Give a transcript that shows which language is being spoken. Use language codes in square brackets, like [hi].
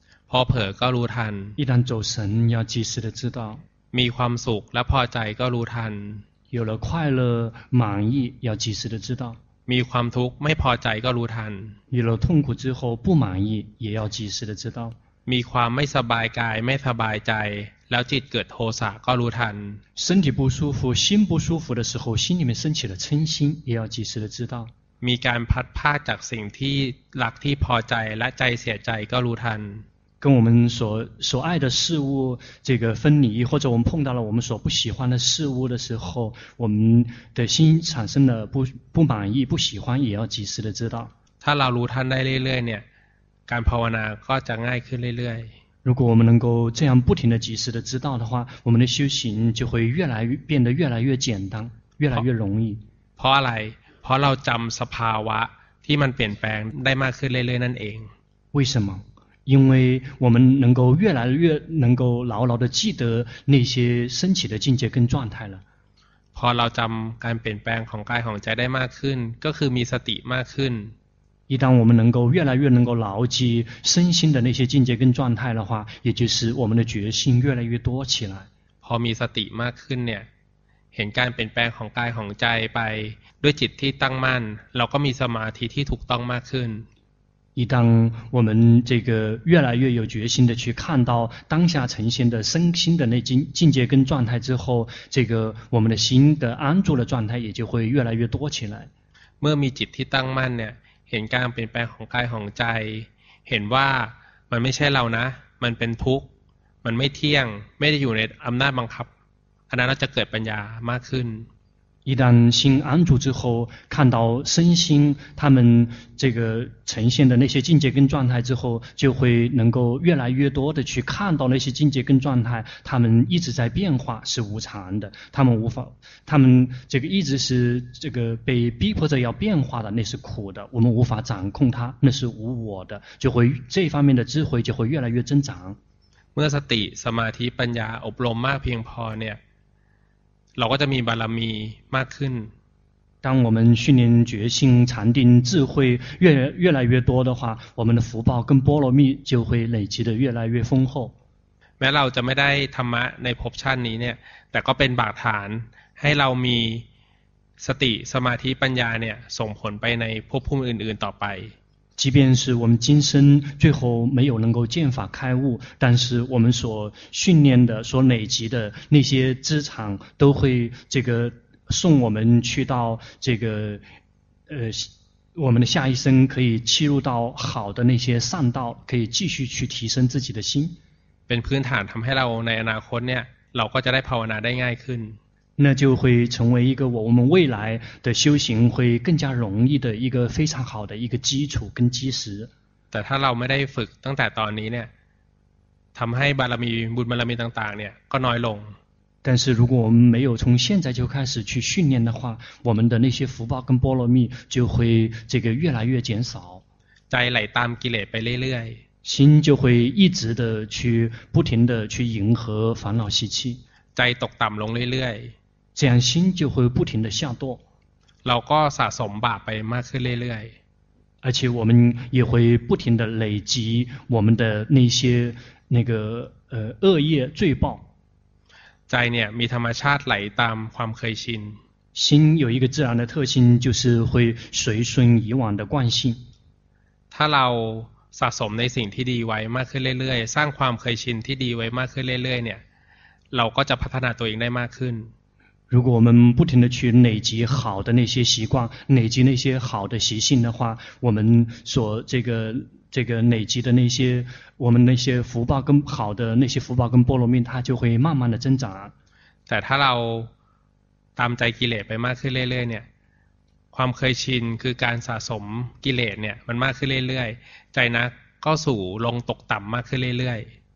[th] พอเผลอก็รู้ทัน [zh] 一旦走神要及时的知道 [th] มีความสุขและพอใจก็รู้ทัน [zh] 有了快乐满意要及时的知道 [th] มีความทุกข์ไม่พอใจก็รู้ทัน [zh] 有了痛苦之后不满意也要及时的知道 [th] มีความไม่สบายกายไม่สบายใจแล้วจิตเกิดโทสะก็รู้ทัน [zh] 身体不舒服心不舒服的时候心里面升起了嗔心也要及时的知道 [th] มีการพัดพาจากสิ่งที่รักที่พอใจและใจเสียใจก็รู้ทัน [zh] 跟我们所爱的事物这个分离或者我们碰到了我们所不喜欢的事物的时候我们的心产生了 不满意不喜欢也要及时的知道 [th] ถ้าเรารู้ทันได้เรื่อยๆเนี่ยการภาวนาก็จะง่ายขึ้นเรื่อย [zh] ๆ如果我们能够这样不停的及时的知道的话我们的修行就会越来越变得越来越简单越来越容易 [th] เพราะอะไรเพราะเราจําสภาวะที่มันเปลี่ยนแปลงได้มากขึ้นเรื่อยๆนั่นเอง [zh] 为什么因为我们能够越来越能够牢牢的记得那些升起的境界跟状态了 [th] พอเราจําการเปลี่ยนแปลงของกายของใจได้มากขึ้นก็คือมีสติมากขึ้น [zh] 一旦我们能够越来越能够牢记身心的那些境界跟状态的话也就是我们的决心越来越多起来 [th] พอมีสติมากขึ้นเนี่ยเห็นการเปลี่ยนแปลงของกายของใจไปด้วยจิตที่ตั้งมั่นเราก็มีสมาธิที่ถูกต้องมากขึ้น [zh] 一旦我们这个越来越有决心的去看到当下呈现的身心的那境界跟状态之后，这个我们的心的安住的状态也就会越来越多起来。 [th] เมื่อมีจิตที่ตั้งมั่นเนี่ยเห็นการเปลี่ยนแปลงของกายของใจเห็นว่ามันไม่ใช่เรานะมันเป็นทุกข์มันไม่เที่ยงไม่ได้อยู่ในอำนาจบังคับอันนั้นเราจะเกิดปัญญามากขึ้น [zh] 一旦心安住之后看到身心他们这个呈现的那些境界跟状态之后就会能够越来越多的去看到那些境界跟状态他们一直在变化是无常的他们这个一直是这个被逼迫着要变化的那是苦的我们无法掌控它那是无我的就会这方面的智慧就会越来越增长 [th] เมื่อสติสมาธิปัญญาอบรมมากเพียงพอเนี่ย เราก็จะมีบารมีมากขึ้น [zh] 当我们训练决心禅定智慧越来越多的话我们的福报跟波罗蜜就会累积的越来越丰厚 [th] แม้เราจะไม่ได้ธรรมะในภพชาตินี้เนี่ยแต่ก็เป็นบาตรฐานให้เรามีสติสมาธิปัญญาเนี่ยส่งผลไปในภพภูมิอื่นๆต่อไป [zh] 即便是我们今生最后没有能够见法开悟，但是我们所训练的、所累积的那些资产，都会这个送我们去到这个我们的下一生可以切入到好的那些善道，可以继续去提升自己的心。 [th] เป็นพื้นฐานทำให้เราในอนาคตเนี่ยเราก็จะได้ภาวนาได้ง่ายขึ้น [zh] 那就会成为一个我们未来的修行会更加容易的一个非常好的一个基础跟基石。 [th] แต่ถ้าเราไม่ได้ฝึกตั้งแต่ตอนนี้เนี่ยทำให้บารมีบุญบารมีต่างๆเนี่ยก็น้อยลง [zh] 但是如果我们没有从现在就开始去训练的话我们的那些福报跟波罗蜜就会这个越来越减少 [th] ใจไหลตามกิเลสไปเรื่อย [zh] 心就会一直的去不停的去迎合烦恼习气 [th] ใจตกต่ำลงเรื่อยๆ [zh] 这样心就会不停的下堕 [th] เราก็สะสมบาปไปมากขึ้นเรื่อย [zh] ๆ而且我们也会不停的累积我们的那些那个恶业罪报 [th] ใจเนี่ยมีธรรมชาติไหลตามความเคยชิน [zh] 心有一个自然的特性就是会随顺以往的惯性 [th] ถ้าเราสะสมในสิ่งที่ดีไว้มากขึ้นเรื่อยๆสร้างความเคยชินที่ดีไว้มากขึ้นเรื่อยๆเนี่ยเราก็จะพัฒนาตัวเองได้มากขึ้น [zh] 如果我们不停地去累积好的那些习惯累积那些好的习性的话我们所这个累积的那些我们那些福报跟好的那些福报跟波罗蜜它就会慢慢的增长 [th] แต่ถ้าเราตามใจกิเลสไปมากขึ้นเรื่อยๆเนี่ยความเคยชินคือการสะสมกิเลสเนี่ยมันมากขึ้นเรื่อยๆใจนะก็สู่ลงตกต่ำมากขึ้นเรื่อยๆ